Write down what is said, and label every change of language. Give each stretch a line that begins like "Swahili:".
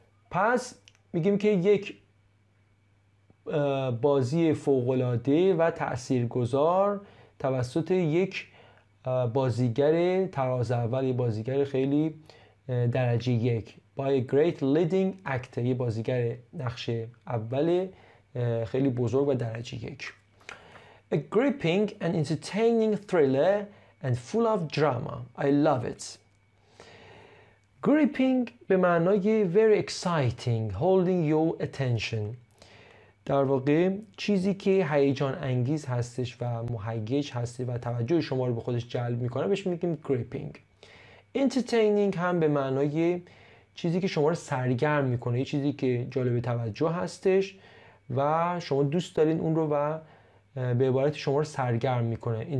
Persian: پس میگیم که یک بازی فوق‌العاده و تأثیرگذار توسط یک بازیگر تراز اول، یک بازیگر خیلی درجه یک،
English: by a great leading actor،
Persian: یک بازیگر نقش اول خیلی بزرگ و درجه یک.
English: A gripping and entertaining thriller and full of drama. I love it. Gripping
Persian: به معنای
English: very exciting, holding your attention.
Persian: در واقع چیزی که هیجان انگیز هستش و مهیج هستی و توجه شما رو به خودش جلب میکنه بهش میگیم gripping. Entertaining هم به معنای چیزی که شما رو سرگرم میکنه، یه چیزی که جالب توجه هستش و شما دوست دارین اون رو و به عبارت شما رو سرگرم میکنه.